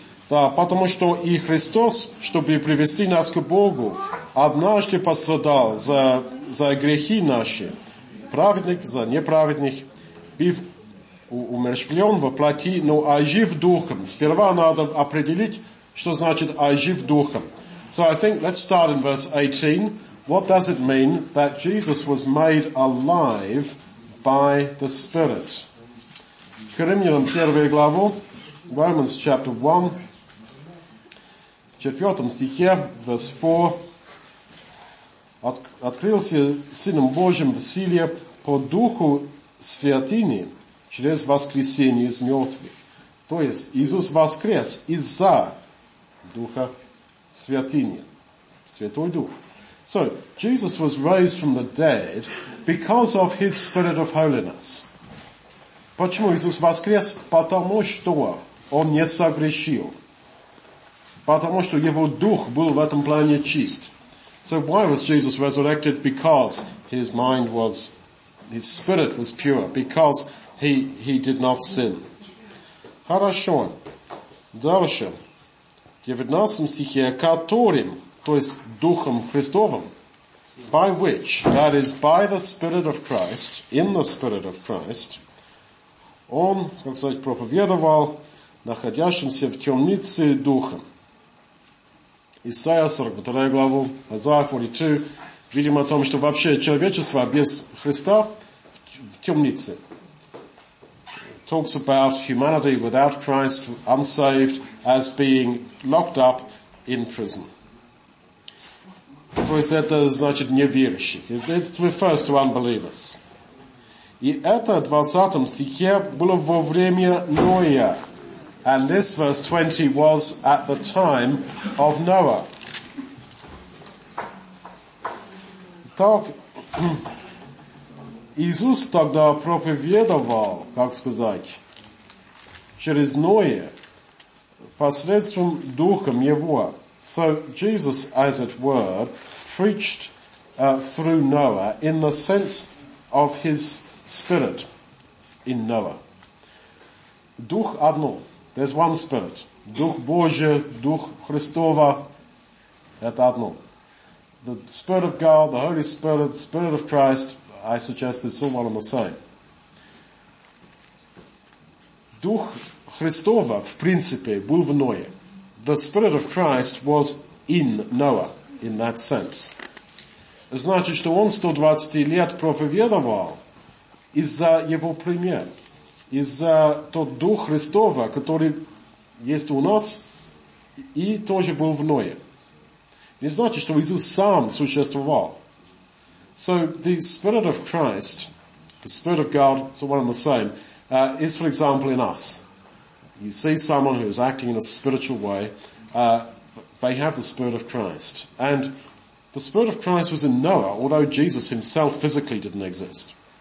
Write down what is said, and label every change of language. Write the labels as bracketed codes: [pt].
[ru] Да, потому что и Христос, чтобы привести нас к Богу, однажды пострадал за грехи наши, праведник за неправедных, бив умерщвлен во плоти, но ожив духом. Сперва надо определить, что значит ожив духом. [en] So I think let's start in verse 18. What does it mean that Jesus was made alive by the Spirit? [ru] Коринфянам 1 главу, [en] Romans chapter 1. [ru] В 4 стихе, [en] verse 4, [ru] открылся Сыном Божьим в силе по Духу Святыни через воскресение из мертвых. То есть Иисус воскрес из-за Духа Святыни, Святой Дух. [en] So, Jesus was raised from the dead because of his Spirit of Holiness. [ru] Почему Иисус воскрес? Потому что он не согрешил. Потому что его дух был в этом плане чист. [en] So why was Jesus resurrected? Because his mind was, his spirit was pure. Because he did not sin. [ru] Хорошо. Дальше. 19 стихе. Которым, то есть духом Христовым, [en] by which, that is by the spirit of Christ, [ru] in the spirit of Christ, он, как сказать, проповедовал находящимся в темнице духом. Исайя 42 главу, Исайя 42, видим о том, что вообще человечество без Христа в темнице. [en] Talks about humanity without Christ, unsaved, as being locked up in prison. [ru] То есть это значит неверующих. [en] It refers to unbelievers. [ru] И это в 20 стихе было во время Ноя. [en] And this verse 20 was at the time of Noah. [ru] Так, Иисус тогда проповедовал, как сказать, через Ноя, посредством Духом Его. [en] So Jesus, as it were, preached through Noah in the sense of his spirit in Noah. [ru] Дух одно. [en] There's one spirit. [ru] Дух Божий, Дух Христова. Это одно. [en] The Spirit of God, the Holy Spirit, the Spirit of Christ, I suggest it's all one and the same. [ru] Дух Христова, в принципе, был в Ное. [en] The Spirit of Christ was in Noah, in that sense. [ru] Значит, что он 120 лет проповедовал из-за его примера. Из-за тот Дух Христова, который есть у нас, и тоже был в Ное. Не значит, что Иисус сам существовал. [en] So, the Spirit of Christ, the Spirit of God, so one and the same, is, for example, in us. You see someone who is acting in a spiritual way, they have the Spirit of Christ. And the Spirit of Christ was in Noah, although Jesus himself physically didn't exist.